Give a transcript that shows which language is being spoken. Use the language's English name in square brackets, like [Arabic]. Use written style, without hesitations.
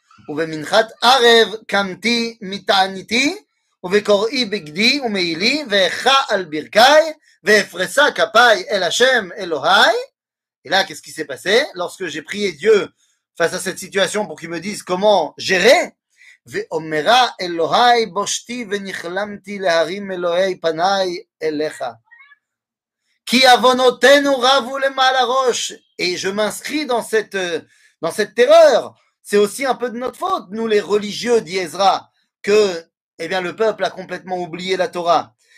[Hebrew] ובמנחת ערב קמתי מתעניתי ובקוראי בגדי ומעילי ואיכה על ברכי ואפרסה כפי אל השם אלוהי. [French] Et là, qu'est-ce qui s'est passé? Lorsque j'ai prié Dieu face à cette situation pour qu'il me dise comment gérer. [Hebrew] ואומרה אלוהי בושתי ונחלמתי להרים אלוהי פניי אליך. כי אבונותינו רבו למעל הראש. [French] Et je m'inscris dans cette terreur. C'est aussi un peu de notre faute, nous les religieux, dit Ezra, que, eh bien, le peuple a complètement oublié la Torah.